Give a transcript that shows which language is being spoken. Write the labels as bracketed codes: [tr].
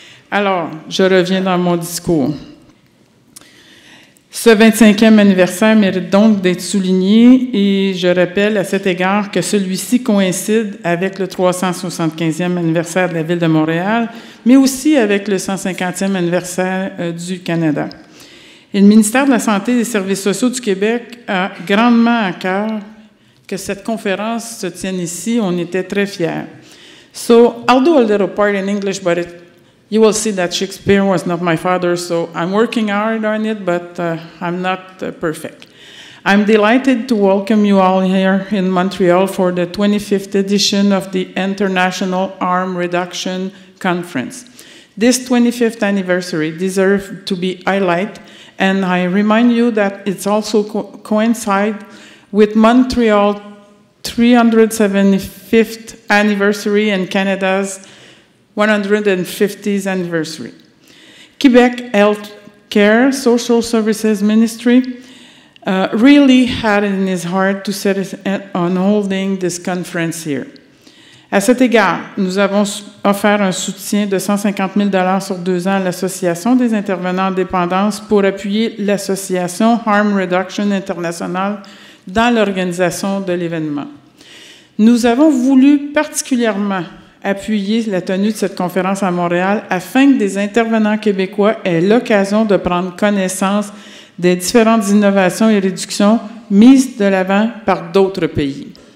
[fr] Alors, je reviens dans mon discours. Ce 25e anniversaire mérite donc d'être souligné, et je rappelle à cet égard que celui-ci coïncide avec le 375e anniversaire de la Ville de Montréal, mais aussi avec le 150e anniversaire du Canada. Et le ministère de la Santé et des Services sociaux du Québec a grandement à cœur que cette conférence se tienne ici. On était très fiers. [en] So, I'll do a little part in English, but you will see that Shakespeare was not my father, so I'm working hard on it, but I'm not perfect. I'm delighted to welcome you all here in Montreal for the 25th edition of the International Harm Reduction Conference. This 25th anniversary deserves to be highlighted, and I remind you that it's also coincide with Montreal's 375th anniversary and Canada's 150th anniversary. Quebec Health Care Social Services Ministry really had it in his heart to set on holding this conference here. [fr] À cet égard, nous avons offert un soutien de 150 000 $ sur 2 ans à l'Association des intervenants en dépendance pour appuyer l'Association Harm Reduction International dans l'organisation de l'événement. Nous avons voulu particulièrement appuyer la tenue de cette conférence à Montréal afin que des intervenants québécois aient l'occasion de prendre connaissance des différentes innovations et réductions mises de l'avant par d'autres pays.